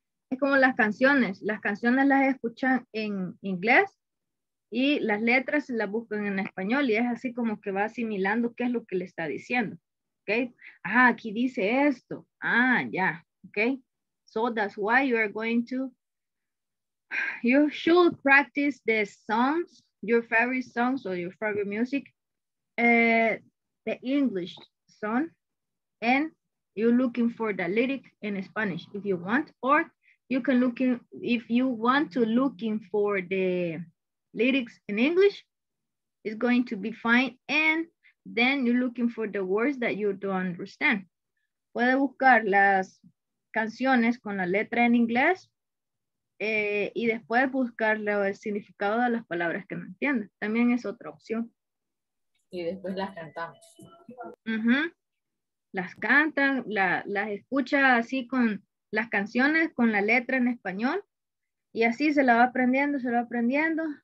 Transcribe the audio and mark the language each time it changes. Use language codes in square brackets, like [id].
[es] Es como las canciones las escuchan en inglés y las letras las buscan en español y es así como que va asimilando qué es lo que le está diciendo. ¿ok? Ah, aquí dice esto. Ah, ya, yeah, ¿ok? [en] So that's why you are going to, you should practice the songs, your favorite songs or your favorite music, the English song, and you're looking for the lyric in Spanish if you want, or you can look in, if you want to looking for the lyrics in English, it's going to be fine, and then you're looking for the words that you don't understand. [es] Puede buscar las canciones con la letra en inglés y después buscar el significado de las palabras que no entiendes. También es otra opción. Y después las cantamos. Uh-huh. Las cantan, las escucha así con las canciones con la letra en español y así se la va aprendiendo, se la va aprendiendo.